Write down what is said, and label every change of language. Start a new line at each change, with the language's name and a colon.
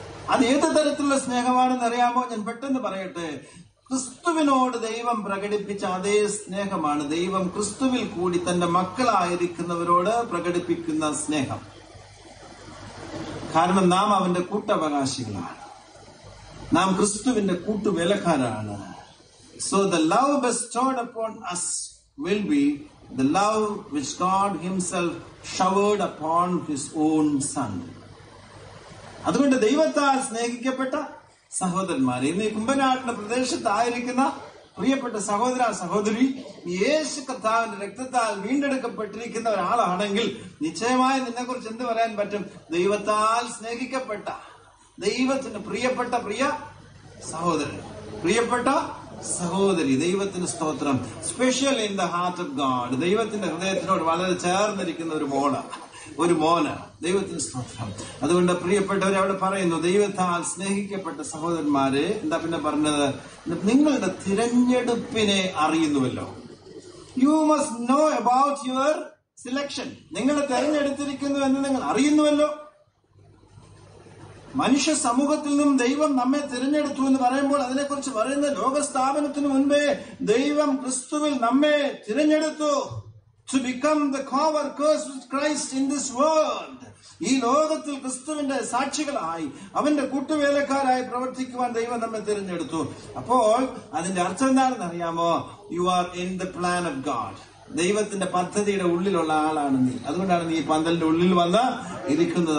Malayalam: അത് ഏത് തരത്തിലുള്ള സ്നേഹമാണെന്നറിയാമോ? ഞാൻ പെട്ടെന്ന് പറയട്ടെ, ക്രിസ്തുവിനോട് ദൈവം പ്രകടിപ്പിച്ച അതേ സ്നേഹമാണ് ദൈവം ക്രിസ്തുവിൽ കൂടി തന്റെ മക്കളായിരിക്കുന്നവരോട് പ്രകടിപ്പിക്കുന്ന സ്നേഹം. കാരണം നാം അവന്റെ കൂട്ടവകാശികളാണ്, നാം ക്രിസ്തുവിന്റെ കൂട്ടുവിലക്കാരാണ്.
English: So the love bestowed upon us will be the love which God himself showered upon his own son.
Malayalam: അതുകൊണ്ട് ദൈവത്താൽ സ്നേഹിക്കപ്പെട്ട സഹോദരന്മാരെ, ഇന്ന് ഈ കുംഭനാടിന്റെ പ്രദേശത്തായിരിക്കുന്ന പ്രിയപ്പെട്ട സഹോദര സഹോദരി, യേശു കർത്താവിന്റെ രക്തത്താൽ വീണ്ടെടുക്കപ്പെട്ടിരിക്കുന്ന ഒരാളാണെങ്കിൽ നിശ്ചയമായി നിന്നെ കുറിച്ച് എന്ത് പറയാൻ പറ്റും? ദൈവത്താൽ സ്നേഹിക്കപ്പെട്ട ദൈവത്തിന് പ്രിയപ്പെട്ട പ്രിയ സഹോദരൻ, പ്രിയപ്പെട്ട സഹോദരി, ദൈവത്തിന് സ്തോത്രം.
English: special in the heart of God,
Malayalam: ദൈവത്തിന്റെ ഹൃദയത്തിനോട് വളരെ ചേർന്നിരിക്കുന്ന ഒരു മോള, ഒരു മോന, ദൈവത്തിന് സ്തോത്രം. അതുകൊണ്ട് പ്രിയപ്പെട്ടവരെ അവിടെ പറയുന്നു, ദൈവത്താൽ സ്നേഹിക്കപ്പെട്ട സഹോദരന്മാരെ, എന്താ പിന്നെ പറഞ്ഞത്? നിങ്ങളുടെ തിരഞ്ഞെടുപ്പിനെ അറിയുന്നുവല്ലോ.
English: You must know about your selection.
Malayalam: നിങ്ങളെ തിരഞ്ഞെടുത്തിരിക്കുന്നു എന്ന് നിങ്ങൾ അറിയുന്നുവല്ലോ. മനുഷ്യ സമൂഹത്തിൽ നിന്നും ദൈവം നമ്മെ തിരഞ്ഞെടുത്തു എന്ന് പറയുമ്പോൾ അതിനെക്കുറിച്ച് പറയുന്ന ലോകസ്ഥാപനത്തിന് മുൻപേ ദൈവം ക്രിസ്തുവിൽ നമ്മെ തിരഞ്ഞെടുത്തു.
English: To become the co-workers with Christ in this world.
Malayalam: ഈ ലോകത്തിൽ ക്രിസ്തുവിന്റെ സാക്ഷികളായി അവന്റെ കൂട്ടുവേലക്കാരായി പ്രവർത്തിക്കുവാൻ ദൈവം നമ്മെ തിരഞ്ഞെടുത്തു. അപ്പോൾ അതിന്റെ അർത്ഥം എന്താണെന്ന് അറിയാമോ?
English: You are in the plan of God.
Malayalam: ദൈവത്തിന്റെ പദ്ധതിയുടെ ഉള്ളിലുള്ള ആളാണ് നീ. അതുകൊണ്ടാണ് നീ പന്തലിന്റെ ഉള്ളിൽ വന്ന് ഇരിക്കുന്നത്.